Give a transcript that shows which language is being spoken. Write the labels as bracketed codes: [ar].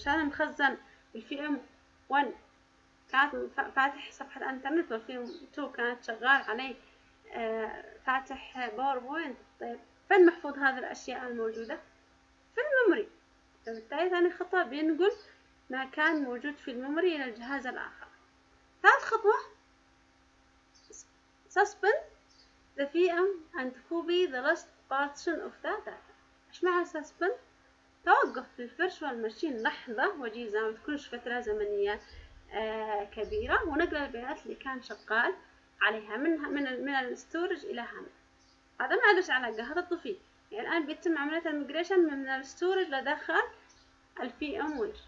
[ar] مشان مخزن الفي ام 1 كانت فاتح صفحه الانترنت، والفي ام 2 كانت شغال عليه فاتح باوربوينت. طيب فين محفوظ هذه الاشياء الموجوده؟ في الميموري. فبالتالي ثاني خطوه بينقل ما كان موجود في الميموري الى الجهاز الاخر. ثالث خطوه [en] suspend the VM and copy the last partition of the data. [ar] إيش معنى suspend؟ توقف في الفيرتشوال ماشين لحظة وجيزة، ما تكونش فترة زمنية كبيرة، ونقل البيانات اللي كان شغال عليها من الستورج إلى هنا. هذا ما عادش على جهة الطفي. يعني الآن بيتم عملية الميجريشن من الستورج لداخل ال VMware.